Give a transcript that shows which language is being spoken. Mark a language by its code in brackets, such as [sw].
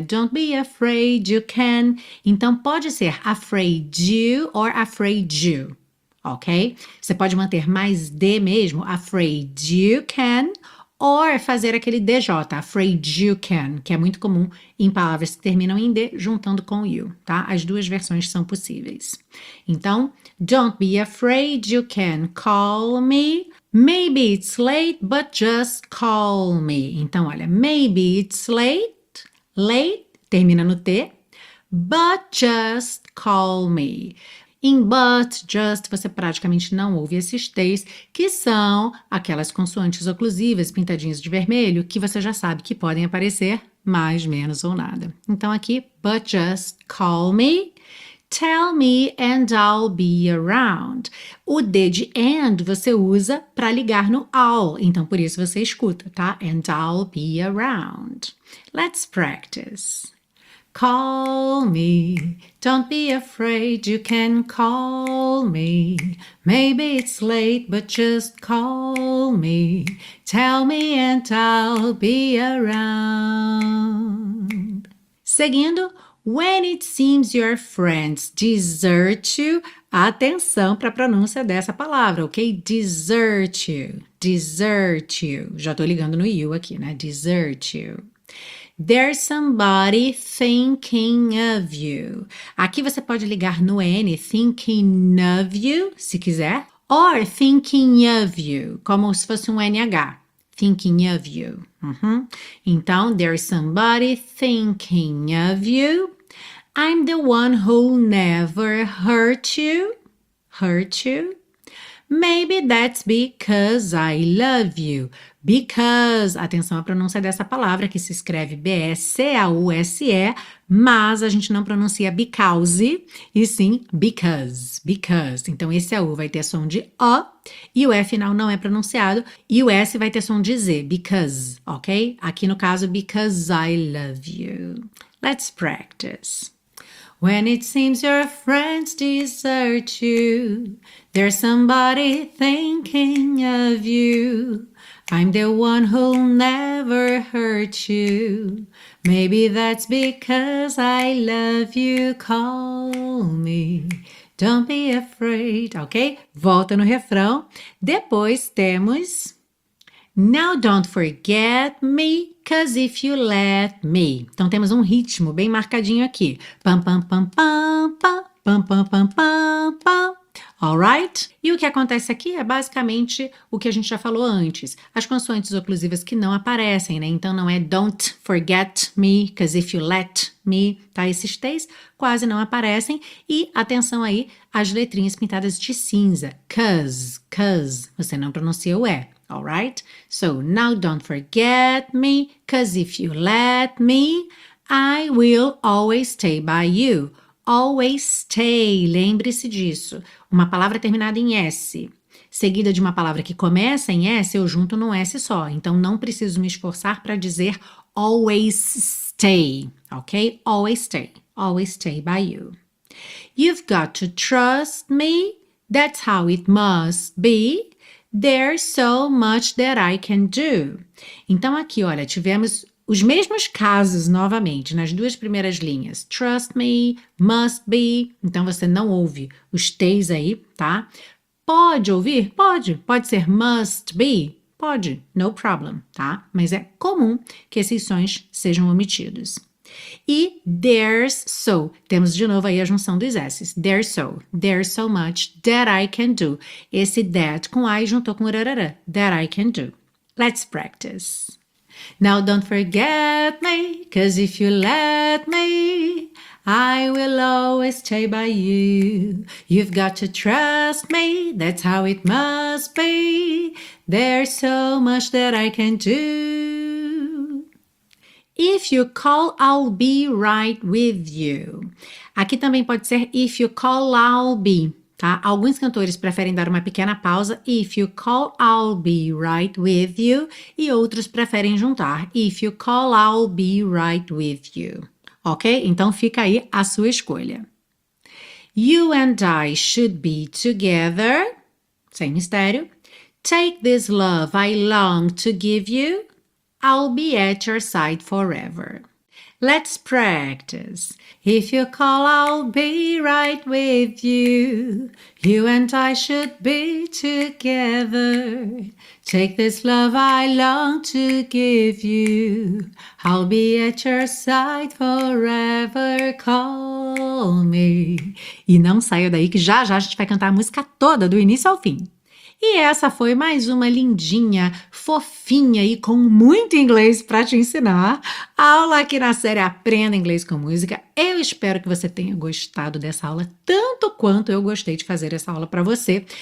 [en] Don't be afraid, you can. [pt] Então, pode ser [en] afraid you or afraid you, ok? [pt] Você pode manter mais D mesmo, [en] afraid you can, [pt] or fazer aquele DJ, [en] afraid you can, [pt] que é muito comum em palavras que terminam em D, juntando com you, tá? As duas versões são possíveis. Então, [en] don't be afraid, you can call me. Maybe it's late, but just call me. [pt] Então, olha, [en] maybe it's late. Late [pt] termina no T, [en] but just call me. [pt] Em [en] but, just, [pt] você praticamente não ouve esses t's, que são aquelas consoantes oclusivas pintadinhas de vermelho que você já sabe que podem aparecer mais, menos ou nada. Então aqui, [en] but just call me, tell me and I'll be around. [pt] O D de and você usa para ligar no [en] I'll, [pt] então por isso você escuta, tá? [en] And I'll be around. Let's practice. Call me, don't be afraid, you can call me. Maybe it's late, but just call me. Tell me and I'll be around. [pt] Seguindo, [en] when it seems your friends desert you, [pt] atenção para a pronúncia dessa palavra, ok? [en] Desert you, desert you. [pt] Já estou ligando no you aqui, né? [en] Desert you. There's somebody thinking of you. [pt] Aqui você pode ligar no N, thinking of you, se quiser. [en] Or thinking of you, [pt] como se fosse um NH. [en] Thinking of you. [pt] Então, [en] there's somebody thinking of you. I'm the one who'll never hurt you. Hurt you. Maybe that's because I love you. [pt] Because, atenção à pronúncia dessa palavra, que se escreve B-S-C-A-U-S-E, mas a gente não pronuncia because, e sim because, because. Então, esse A-U vai ter som de O, e o E final não é pronunciado, e o S vai ter som de Z, because, ok? Aqui no caso, [en] because I love you. Let's practice. When it seems your friends desert you, there's somebody thinking of you. I'm the one who'll never hurt you. Maybe that's because I love you. Call me, don't be afraid. Ok? [pt] Volta no refrão. Depois temos. [en] Now don't forget me. Because if you let me. [pt] Então temos um ritmo bem marcadinho aqui. Pam, pam, pam, pam, pam, pam, pam, pam, pam. [en] All right? [pt] E o que acontece aqui é basicamente o que a gente já falou antes. As consoantes oclusivas que não aparecem, né? Então não é [en] don't forget me, because if you let me, [pt] tá? Esses T's quase não aparecem. E atenção aí às letrinhas pintadas de cinza. [en] Cause, cause. [pt] Você não pronuncia o E. [en] All right? So now don't forget me, 'cause if you let me, I will always stay by you. Always stay. [pt] Lembre-se disso. Uma palavra terminada em S, seguida de uma palavra que começa em S, eu junto num S só. Então não preciso me esforçar para dizer [en] always stay, [pt] ok? [en] Always stay by you. You've got to trust me. That's how it must be. There's so much that I can do. [pt] Então aqui, olha, tivemos os mesmos casos novamente nas duas primeiras linhas. [en] Trust me, must be. [pt] Então você não ouve os T's aí, tá? Pode ouvir? Pode. Pode ser [en] must be? [pt] Pode. [en] No problem, [pt] tá? Mas é comum que esses sons sejam omitidos. E [en] there's so, [pt] temos de novo aí a junção dos S's. [en] There's so much that I can do. [pt] Esse that com I juntou com rarara, [en] that I can do. Let's practice. Now don't forget me, 'cause if you let me, I will always stay by you. You've got to trust me, that's how it must be. There's so much that I can do. If you call, I'll be right with you. [pt] Aqui também pode ser [en] if you call, I'll be, [pt] tá? Alguns cantores preferem dar uma pequena pausa, [en] if you call, I'll be right with you, [pt] e outros preferem juntar, [en] if you call, I'll be right with you. [pt] Ok? Então fica aí a sua escolha. [en] You and I should be together. [pt] Sem mistério. [en] Take this love I long to give you. I'll be at your side forever. Let's practice. If you call, I'll be right with you. You and I should be together. Take this love I long to give you. I'll be at your side forever. Call me. [pt] E não saia daí que já já a gente vai cantar a música toda, do início ao fim. E essa foi mais uma lindinha, fofinha e com muito inglês para te ensinar. Aula aqui na série Aprenda Inglês com Música. Eu espero que você tenha gostado dessa aula tanto quanto eu gostei de fazer essa aula para você.